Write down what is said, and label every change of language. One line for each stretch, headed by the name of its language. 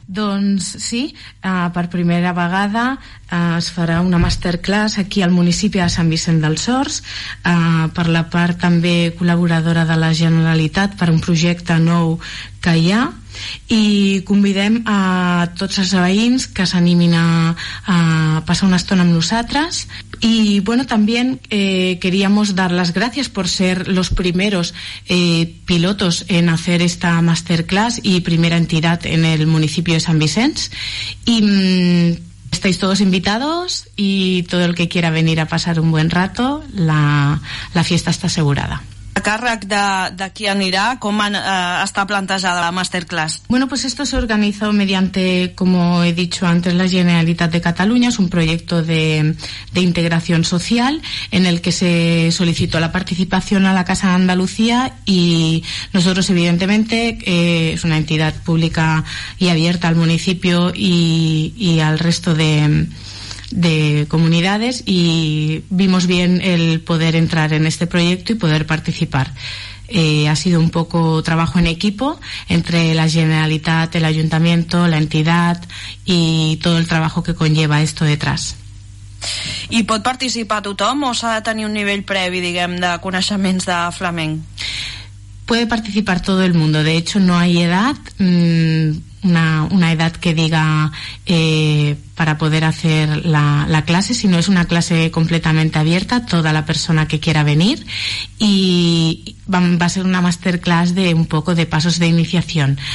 Catalan: Doncs sí, per primera vegada es farà una masterclass aquí al municipi de Sant Vicenç dels Horts, per la part també col·laboradora de la Generalitat per un projecte nou que hi ha. I convidem a tots els veïns que s'animin a passar una estona amb nosaltres.
Spanish: Y bueno, también queríamos dar las gracias por ser los primeros pilotos en hacer esta masterclass y primera entidad en el municipio de San Vicenç. Y estáis todos invitados y todo el que quiera venir a pasar un buen rato, la fiesta está asegurada.
Catalan: A càrrec de qui anirà, com està plantejada la masterclass?
Spanish: Bueno, pues esto se organizó mediante, como he dicho antes, la Generalitat de Catalunya. Es un proyecto de integración social en el que se solicitó la participación a la Casa de Andalucía y nosotros, evidentemente, es una entidad pública y abierta al municipio y al resto de comunidades y vimos bien el poder entrar en este proyecto y poder participar. Ha sido un poco trabajo en equipo entre la Generalitat, el Ayuntamiento, la entidad y todo el trabajo que conlleva esto detrás.
Catalan: ¿Y pot participar tothom o s'ha de tenir un nivell previ, diguem, de coneixements de flamenc?
Spanish: Puede participar todo el mundo, de hecho no hay edad, una edad que diga para poder hacer la clase, sino es una clase completamente abierta, toda la persona que quiera venir, y va a ser una masterclass de un poco de pasos de iniciación.